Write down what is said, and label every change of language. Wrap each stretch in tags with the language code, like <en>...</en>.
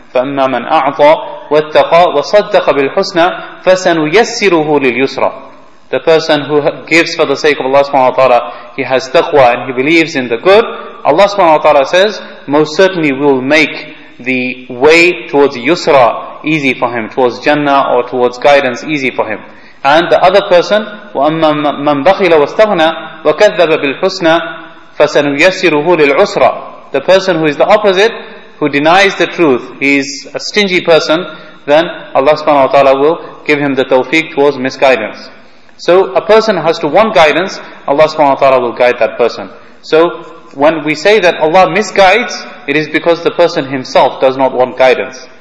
<ar>فَأَمَّا مَنْ أَعْطَى وَاتَّقَى وَصَدَّقَ بِالْحُسْنَى فَسَنُيَسِّرُهُ لِلْيُسْرَى.</ar> <en>The person who gives for the sake of Allah subhanahu wa ta'ala, he has taqwa and he believes in the good, Allah subhanahu wa ta'ala says, most certainly we will make the way towards yusra easy for him, towards Jannah or towards guidance easy for him. And the other person,</en> <ar>وَأَمَّا مَنْ بَخِلَ وَاسْتَغْنَى وَكَذَّبَ بِالْحُسْنَى فَسَنُيَسِّرُهُ لِلْعُسْرَى.</ar> <en>The person who is the opposite, who denies the truth, he is a stingy person, then Allah subhanahu wa ta'ala will give him the tawfiq towards misguidance. So a person has to want guidance, Allah subhanahu wa ta'ala will guide that person. So when we say that Allah misguides, it is because the person himself does not want guidance.</en>